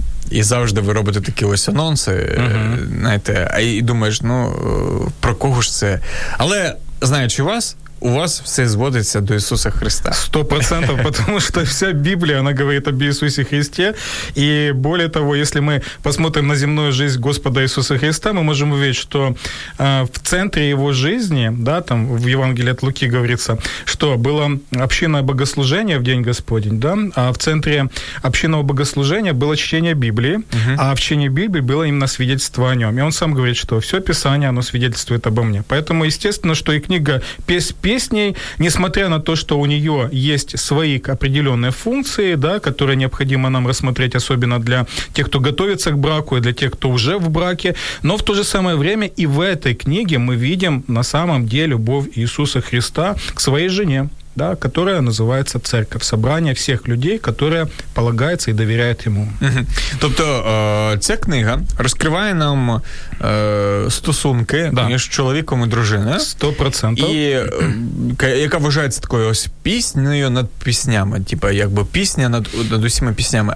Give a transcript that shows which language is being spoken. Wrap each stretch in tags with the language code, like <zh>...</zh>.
<uk>І завжди ви робите такі ось анонси, знаєте, і думаєш, ну, про кого ж це? Але, знаючи вас, у вас все зводиться до Ісуса Христа.</uk> <ru>100%, потому что вся Библия, она говорит об Иисусе Христе. И более того, если мы посмотрим на земную жизнь Господа Иисуса Христа, мы можем увидеть, что в центре Его жизни, да, там в Евангелии от Луки говорится, что было общинное богослужение в день Господень, да, а в центре общинного богослужения было чтение Библии, а в чтении Библии было именно свидетельство о Нем. И Он сам говорит, что все Писание, оно свидетельствует обо Мне. Поэтому, естественно, что и книга Песнь песней, несмотря на то, что у нее есть свои определенные функции, да, которые необходимо нам рассмотреть, особенно для тех, кто готовится к браку и для тех, кто уже в браке, но в то же самое время и в этой книге мы видим на самом деле любовь Иисуса Христа к своей жене, да, которая называется церковь, собрание всех людей, которые полагаются и доверяют ему.</ru> <uk>Тобто, ця книга розкриває нам стосунки між чоловіком і дружиною. 100%. І яка вважається такою ось піснею над піснями, типу, якби пісня над усіма піснями.</uk>